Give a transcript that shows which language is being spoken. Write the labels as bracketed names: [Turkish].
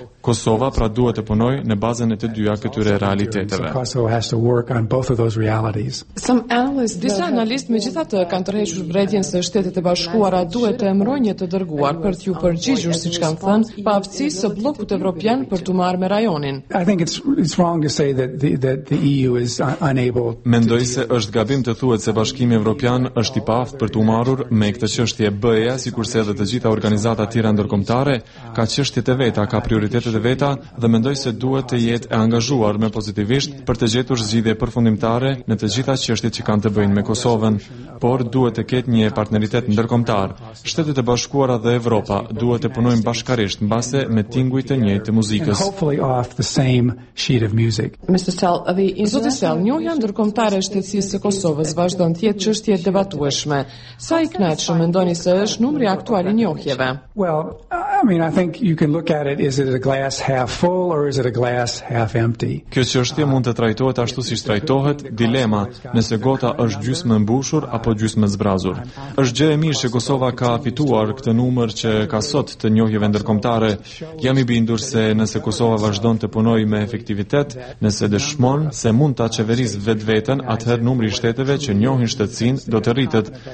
[Albanian] Kosova pra duhet të punojë në bazën e të dyja këtyre realiteteve. Disa analistë megjithatë kanë tërhequr vretjen se Shtetet e Bashkuara duhet të emërojnë të dërguar për t'ju përgjigjur, siç kanë thënë, pavësisht së bllokut evropian për t'u marrë me rajonin. [English] I think it's wrong to say that the EU is unable. [Albanian] Mendoj se është gabim të thuhet se Bashkimi Evropian është i paaftë për t'u marrur me këtë çështje. BE-ja, sikurse edhe të gjitha organizata tjera ndërkombëtare, ka çështjet e veta, ka prioritetet e veta dhe mendoj se duhet të jetë e angazhuar më pozitivisht për të gjetur zgjidhje përfundimtare në të gjitha çështjet që kanë të bëjnë me Kosovën, por duhet të ketë një partneritet ndërkombëtar. Shtetet e Bashkuara dhe Evropa duhet të punojnë bashkarisht mbase me tinguj të njëjtë të muzikës. Zoti Sell, njohja ndërkombëtare e shtetësisë së Kosovës vazhdon të jetë çështje debatueshme. Sa i kënaqshëm mendoni se është numri aktual i njohjeve? [English] Well, I mean, I think you can look at it, is it a glass half full or is it a glass half empty? [Albanian] Kjo çështje mund të trajtohet ashtu siç trajtohet, dilema, nëse gota është gjysmë e mbushur apo gjysmë e zbrazur. Është gjë e mirë që Kosova ka fituar këtë numër që ka sot të njohjeve ndërkombëtare. Jam i bindur se nëse Kosova vazhdon të punojë me efektivitet, nëse dëshmon se mund ta çeverisë vetveten, atëherë numri i shteteve që njohin shtetësinë do të rritet.